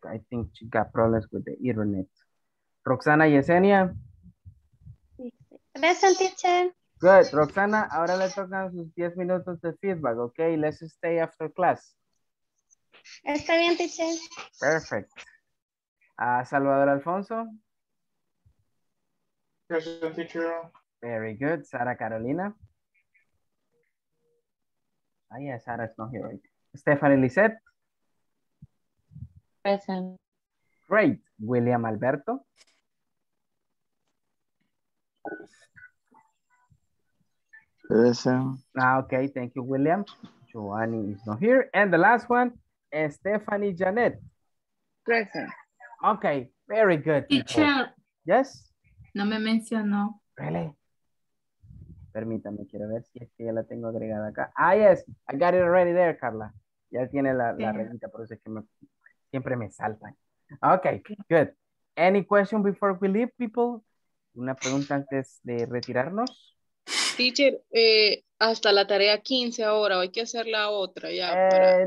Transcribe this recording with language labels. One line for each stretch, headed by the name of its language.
English: I think she got problems with the internet. Roxana Yesenia? Present, teacher. Good.
Spanish: Roxana, ahora le tocan sus 10 minutos de feedback, okay?
English: Let's stay after class.
Spanish: Está bien, teacher.
English: Perfect. Salvador Alfonso? Present, teacher. Very good. Sara Carolina? Oh, yeah, Sara's not here. Right? Stephanie Lisette? Present. Great. William Alberto? Present. Okay, thank you, William. Giovanni is not here. And the last one, Stephanie Janet. Present. Okay, very good. Teacher. Yes?
Spanish: No me mencionó.
English: Really?
Spanish: Permítame, quiero ver si es que ya la tengo agregada acá.
English: Ah, yes, I got it already there, Carla.
Spanish: Ya tiene la, la redita, por eso es que me, siempre me saltan.
English: Okay, good. Any question before we leave, people?
Spanish: ¿Una pregunta antes de retirarnos? Teacher, hasta la tarea 15 ahora, hay que hacer la otra ya.